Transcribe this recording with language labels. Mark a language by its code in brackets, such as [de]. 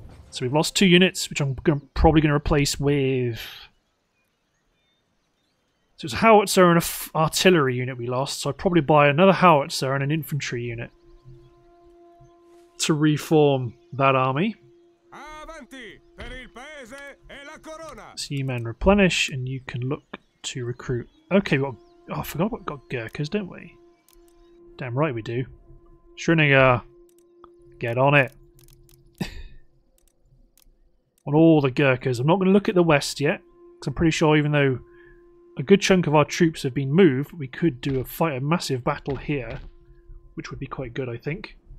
[en] So we've lost two units, which I'm probably going to replace with... So it's a howitzer and an artillery unit we lost. So I'd probably buy another howitzer and an infantry unit to reform that army. [it] Avanti, per il paese e la corona. [en] So you men replenish and you can look to recruit. Okay, well, oh, I forgot we've got Gurkhas, don't we? Damn right we do. Schrinninger, get on it. On all the Gurkhas. I'm not going to look at the west yet, because I'm pretty sure even though a good chunk of our troops have been moved, we could do a fight a massive battle here, which would be quite good, I think.